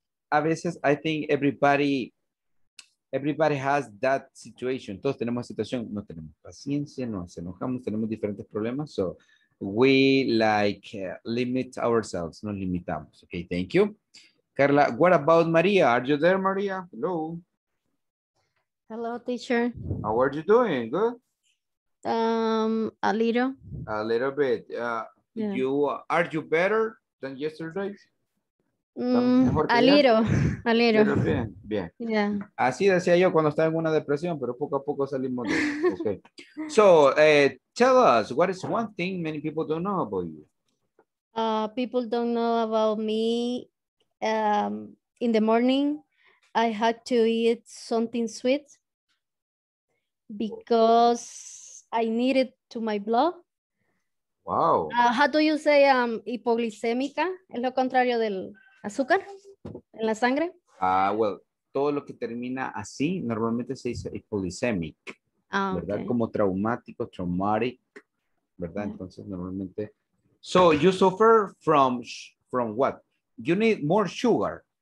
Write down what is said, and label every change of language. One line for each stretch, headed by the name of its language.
Spanish: A veces,
English: I think everybody has that situation.
Spanish: Todos tenemos esa situación. No tenemos paciencia, nos enojamos, tenemos diferentes problemas.
English: So, we like limit ourselves.
Spanish: Nos limitamos.
English: Okay, thank you. Carla, what about Maria? Are you there, Maria? Hello. Hello, teacher. How are you doing? Good? A little. A little bit. Are you better than yesterday? A little.
Spanish: Bien.
English: Yeah.
Spanish: Así decía yo cuando estaba en una depresión, pero poco a poco salimos de eso.
English: Okay. So, tell us, what is one thing many people don't know about you? People don't know about me. In the morning, I had to eat something sweet because I needed to my blood. Wow. How do you say hipoglicémica?
Spanish: Es lo contrario del azúcar en la sangre. Well, todo lo que termina así normalmente se dice hipoglycemic, ¿verdad?
English: Okay.
Spanish: Como traumático, traumatic, ¿verdad? Yeah. Entonces normalmente.
English: So you suffer from what? You need more sugar.